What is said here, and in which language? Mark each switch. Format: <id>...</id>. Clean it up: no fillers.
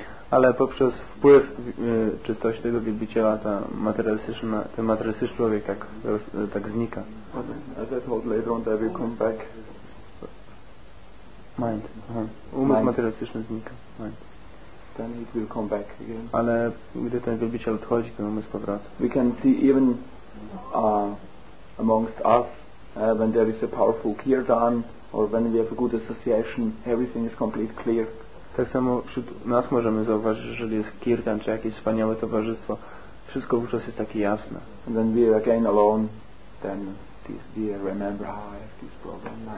<pl>Ale poprzez wpływ czystości tego wielbiciela ten materialistyczny człowiek tak znika.</pl> <en>As I told later on, they will come back. Mind.</en> <pl>Umysł materialistyczny znika.</pl> <en>Mind. Then it will come back again.</en> <pl>Ale gdy ten wielbiciel odchodzi, ten umysł powraca.</pl> <en>We can see even amongst us, when there is a powerful kirtan, or when we have a good association, everything is completely clear.</en> <pl>Tak samo wśród nas możemy zauważyć, że jeżeli jest kirtan czy jakieś wspaniałe towarzystwo, wszystko wówczas jest takie jasne.</pl> <en>And then we are again alone, then we remember how I have this problem,</en>